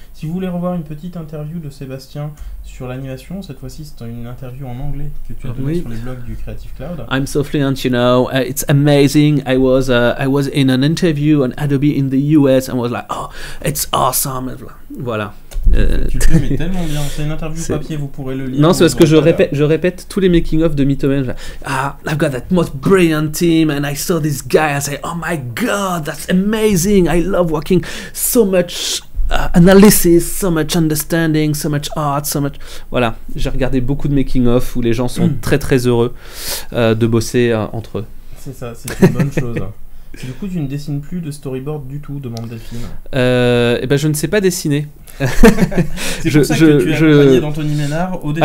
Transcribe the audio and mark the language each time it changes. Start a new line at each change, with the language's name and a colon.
French: Si vous voulez revoir une petite interview de Sébastien sur l'animation, cette fois-ci c'est une interview en anglais que tu as donnée sur les blogs du Creative Cloud.
English: I'm so fluent, you know, it's amazing. I was in an interview on Adobe in the US and was like, oh, it's awesome.
French: Voilà. Tu le fais tellement bien, c'est une interview papier, vous pourrez le lire. Non, c'est parce que je répète tous les making-of de Mythomen.
English: Ah, I've got that most brilliant team and I saw this guy and I say, oh my god, that's amazing, I love working so much analysis, so much understanding, so much art, so much...
French: Voilà, j'ai regardé beaucoup de making-of où les gens sont très très heureux de bosser entre eux. C'est ça, c'est une bonne chose. Du coup, tu ne dessines plus de storyboard du tout, demande Delphine. Je ne sais pas dessiner. d'Anthony Ménard au début.